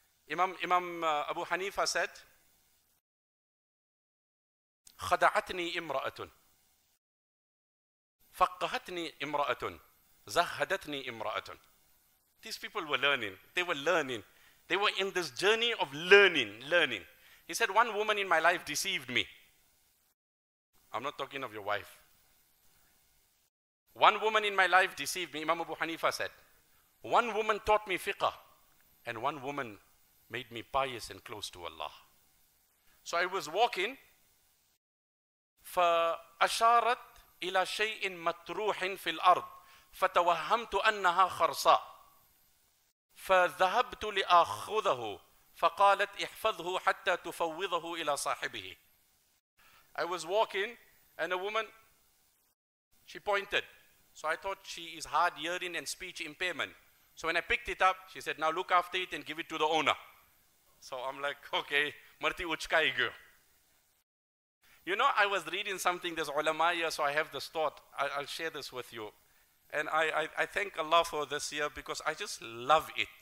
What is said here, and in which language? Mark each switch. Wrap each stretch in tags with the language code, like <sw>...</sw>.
<en>Imam Abu Hanifa said,</en> <ar>خَدَعَتْنِي إِمْرَأَةٌ فَقَّهَتْنِي إِمْرَأَةٌ زَهَّدَتْنِي إِمْرَأَةٌ.</ar> <en>These people were learning. They were learning. They were in this journey of learning. He said, one woman in my life deceived me. I'm not talking of your wife. One woman in my life deceived me, Imam Abu Hanifa said. One woman taught me fiqh, and one woman made me pious and close to Allah. So I was walking,</en> <ar>فَأَشَارَتْ إِلَى شَيْءٍ مَتْرُوحٍ فِي الْأَرْضِ فَتَوَهَّمْتُ أَنَّهَا خَرْصَى فَذَهَبْتُ لِأَخُذَهُ فَقَالَتْ إِحْفَظْهُ حَتَّى تُفَوِّضَهُ إِلَى صَاحِبِهِ.</ar> <en>I was walking, and a woman, she pointed. So I thought she is hard hearing and speech impairment. So when I picked it up, she said, now look after it and give it to the owner. So I'm like, okay, marti uchkaigyo. You know, I was reading something, this ulama year, so I have this thought. I'll share this with you. And I thank Allah for this year because I just love it.</en>